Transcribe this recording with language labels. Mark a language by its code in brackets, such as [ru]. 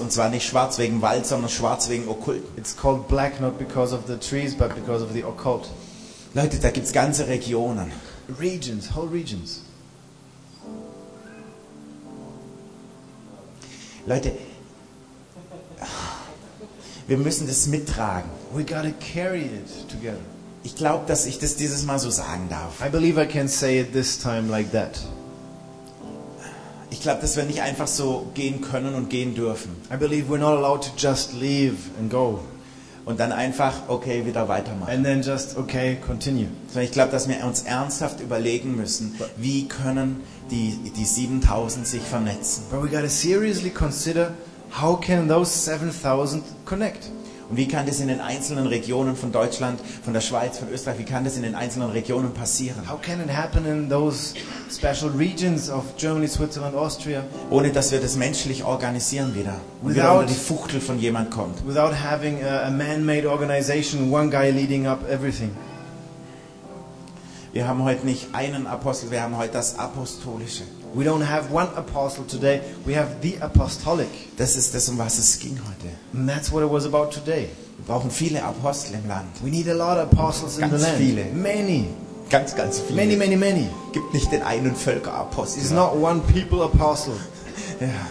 [de] Und zwar nicht schwarz wegen Wald, sondern schwarz wegen Okkult. [en] It's called black not because of the trees, but because of the occult. [de] Leute, da gibt's ganze Regionen. [en] Regions, whole regions. [de] Leute, wir müssen das mittragen. [en] We gotta carry it together. [de] Ich glaube, dass ich das dieses Mal so sagen darf. [en] I believe I can say it this time like that. [de] Ich glaube, dass wir nicht einfach so gehen können und gehen dürfen. [en] I believe we're not allowed to just leave and go. [de] Und dann einfach okay wieder weitermachen. [en] And then just okay continue. [de] Sondern ich glaube, dass wir uns ernsthaft überlegen müssen, wie können die 7000 sich vernetzen? [en] But we gotta seriously consider how can those 7000 connect? [de] Und wie kann das in den einzelnen Regionen von Deutschland, von der Schweiz, von Österreich, wie kann das in den einzelnen Regionen passieren? [en] How can it happen in those special regions of Germany, Switzerland, Austria? [de] Ohne dass wir das menschlich organisieren wieder. Without, wieder die Fuchtel von jemand kommt. [en] Without having a man-made organization, one guy leading up everything. [de] Wir haben heute nicht einen Apostel, wir haben heute das Apostolische. [en] We don't have one apostle today, we have the apostolic. [de] Das ist das, um was es ging heute. [en] And that's what it was about today. [de] Wir brauchen viele Apostel im Land. [en] We need a lot of apostles [de] ganz [en] in the [de] viele. [en] Land. [de] Viele. [en] Many. [de] Ganz, ganz viele. [en] Many, many, many. [de] Gibt nicht den einen Völkerapostel. [en] It's not one people apostle. [de] Ja.